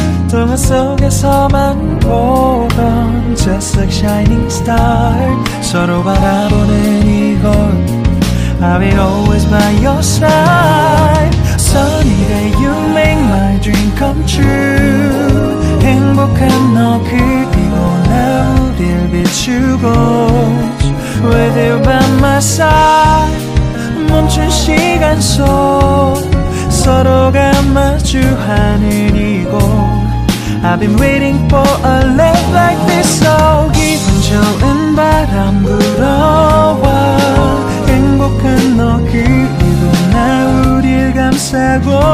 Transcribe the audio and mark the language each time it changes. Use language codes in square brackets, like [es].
[ko] 동화 속에서만 보던 [en] just like shining star. [ko] 서로 바라보는 이곳. [en] I'll be always by your side. Sunny day you make my dream come true. [ko] 행복한 너 그리고 나 우릴 비추고. [en] With you by my side. [ko] 멈춘 시간 속 서로가 마주하는 이곳. [en] I've been waiting for a love like this. [ko] Oh, 기분 좋은 바람 불어와. 행복한 너 그리고 나 우릴 감싸고.